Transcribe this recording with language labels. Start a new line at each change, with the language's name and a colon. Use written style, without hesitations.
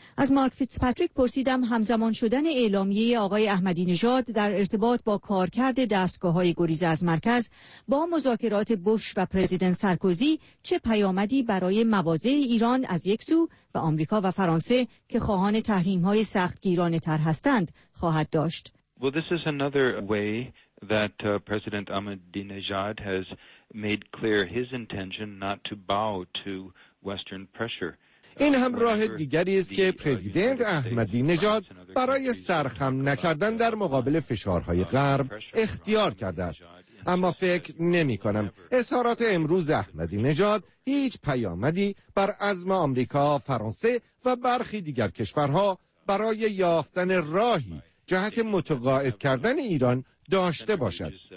Persian: از مارک فیتزپاتریک پرسیدم همزمان شدن اعلامیه آقای احمدی نژاد در ارتباط با کارکرد دستگاه‌های گریز از مرکز با مذاکرات بوش و پرزیدنت سارکوزی چه پیامدی برای مواضع ایران از یک سو و آمریکا و فرانسه که خواهان تحریم‌های سختگیرانه‌تر هستند خواهد داشت.
English: Well, this is another way that President Ahmadinejad has made clear his intention not to bow to Western pressure.
Persian: این هم راه دیگری است که پرزیدنت احمدی نژاد برای سرخم نکردن در مقابل فشارهای غرب اختیار کرده است. اما فکر نمی کنم اظهارات امروز احمدی نژاد هیچ پیامدی بر عزم آمریکا، فرانسه و برخی دیگر کشورها برای یافتن راهی جهت متقاعد کردن ایران داشته باشد.